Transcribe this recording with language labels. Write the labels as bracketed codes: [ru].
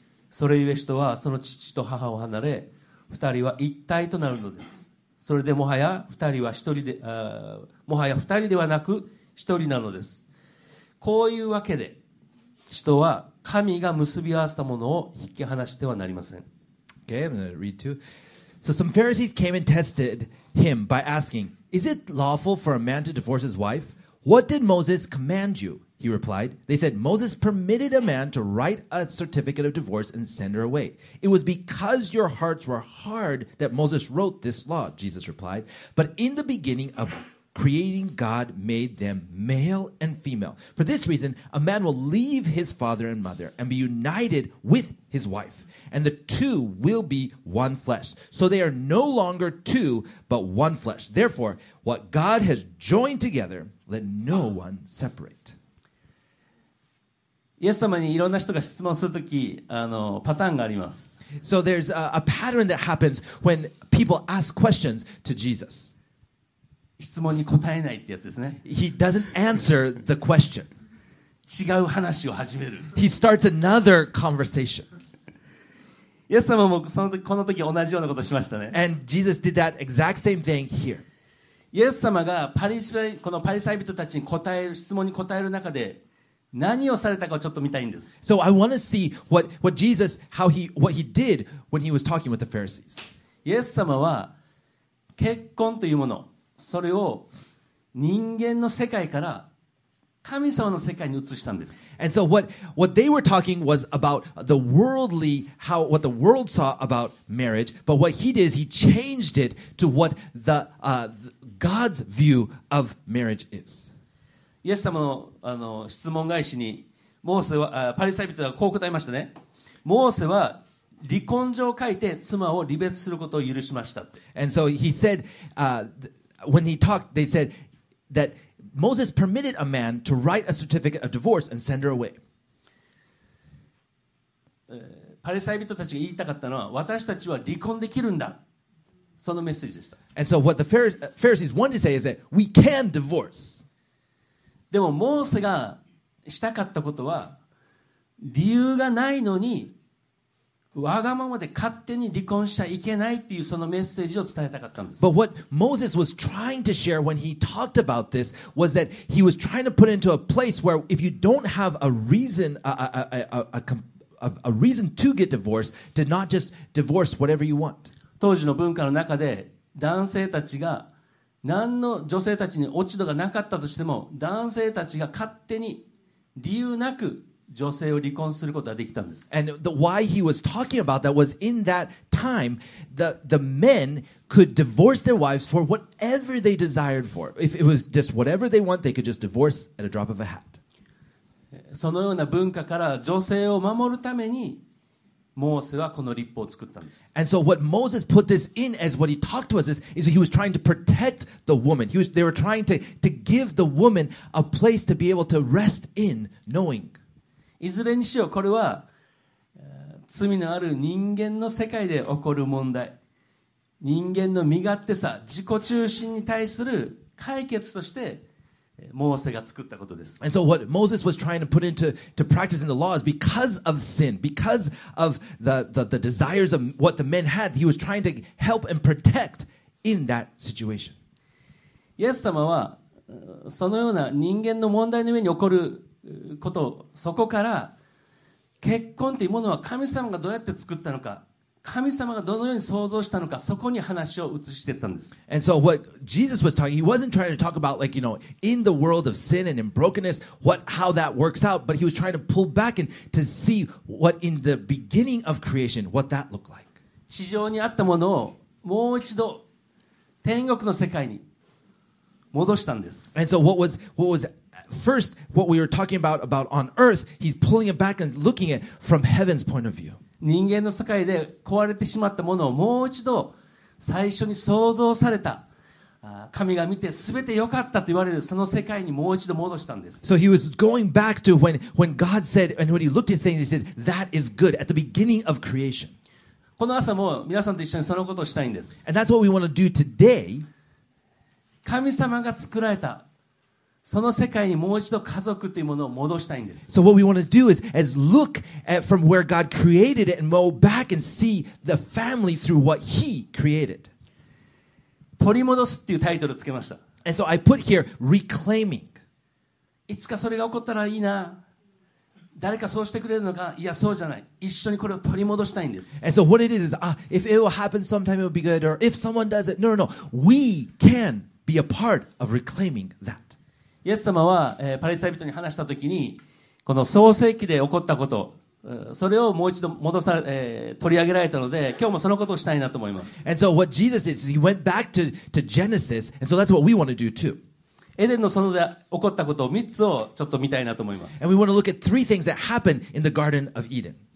[ja] それゆえ人はその父と母を離れ二人は一体となるのです。それでもはや二人は一人で、もはや二人ではなく一人なのです。こういうわけで、人は神が結び合わせたものを引き離してはなりません。 [en] Okay, I'm going to read too. So some Pharisees came and tested him by asking, "Is it lawful for a man to divorce his wife? What did Moses command you?" He replied. They said, "Moses permitted a man to write a certificate of divorce and send her away. It was because your hearts were hard that Moses wrote this law," Jesus replied. "But in the beginning of creating, God made them male and female. For this reason, a man will leave his father and mother and be united with his wife, and the two will be one flesh. So they are no longer two, but one flesh. Therefore, what God has joined together, let no one separate." [ja] イエス様にいろんな人が質問するとき、パターンがあります。 [en] So there's a pattern that happens when people ask questions to Jesus. [ja] 質問に答えないってやつですね。 [en] He doesn't answer the question. [ja] 違う話を始める。 [en] He starts another conversation. [ja] イエス様もこの時同じようなことをしましたね。 [en] And Jesus did that exact same thing here. [ja] イエス様がこのパリサイ人たちに答える質問に答える中で何をされたかをちょっと見たいんです。 [en] So I want to see what Jesus, what he did when he was talking with the Pharisees. [ja] イエス様は結婚というもの、それを人間の世界から神様の世界に移したんです。 [en] And so what they were talking was about the worldly, what the world saw about marriage, but what he did is he changed it to what God's view of marriage is. [ja] イエス様の、質問返しにモーセは、パリサイ人はこう答えましたね。モーセは離婚状を書いて妻を離別することを許しましたって。 [en] And so he said, when he talked, they said that Moses permitted a man to write a certificate of divorce and send her away. [ja] パリサイ人たちが言いたかったのは、私たちは離婚できるんだ。そのメッセージでした。 [en] And so what the Pharisees wanted to say is that we can divorce. [ja] でもモーセがしたかったことは、理由がないのに、わがままで勝手に離婚しちゃいけないっていうそのメッセージを伝えたかったんです。 [en] But what Moses was trying to share when he talked about this was that he was trying to put into a place where if you don't have a reason, a reason to get divorced, to not just divorce whatever you want. [ja] 当時の文化の中で男性たちが何の女性たちに落ち度がなかったとしても、男性たちが勝手に理由なく女性を離婚することができたんです。 [en] And the why he was talking about that was in that time the men could divorce their wives for whatever they desired for. If it was just whatever they want, they could just divorce at a drop of a hat. [ja] そのような文化から女性を守るためにモーセはこの律法を作ったんです。 [en] And so what Moses put this in as what he talked to us is he was trying to protect the woman. They were trying to give the woman a place to be able to rest in knowing. [ja] いずれにしよう、これは罪のある人間の世界で起こる問題、人間の身勝手さ、自己中心に対する解決としてモーセが作ったことです。 [en] And so what Moses was trying to put into practice in the law is because of sin, because of the desires of what the men had, he was trying to help and protect in that situation. [ja] イエス様はそのような人間の問題の上に起こることそこから結婚というものは神様がどうやって作ったのか、神様がどのように創造したのか、そこに話を移していったんです。 [en] And so what Jesus was talking, he wasn't trying to talk about like, you know, in the world of sin and in brokenness, how that works out, but he was trying to pull back and to see what in the beginning of creation, what that looked like. [ja] 地上にあったものをもう一度天国の世界に戻したんです。 [en] And so what was first, what we were talking about on earth, he's pulling it back and looking at it from heaven's point of view. [ja] 人間の世界で壊れてしまったものをもう一度最初に創造された神が見て全て良かったと言われるその世界にもう一度戻したんです。 [en] So he was going back to when God said, and when he looked at things, he said, that is good at the beginning of creation. [ja] この朝も皆さんと一緒にそのことをしたいんです。 [en] And that's what we want to do today. [ja] 神様が作られたその世界にもう一度家族というものを戻したいんです。 [en] So what we want to do is look at from where God created it and go back and see the family through what He created. [ja] 取り戻すっていうタイトルをつけました。 [en] And so I put here reclaiming. [ja] いつかそれが起こったらいいな。誰かそうしてくれるのか、いやそうじゃない。一緒にこれを取り戻したいんです。 [en] And so what it is, if it will happen sometime, it will be good. Or if someone does it, no. We can be a part of reclaiming that. [ja] イエス様は、パリサイ人に話したときに、この創世記で起こったこと、それをもう一度戻され、取り上げられたので、今日もそのことをしたいなと思います。 [en] And so what Jesus did is he went back to Genesis, and so that's what we want to do too. [ja] エデンの園で起こったことを3つをちょっと見たいなと思います。 [en] And we want to look at three things that happened in the Garden of Eden.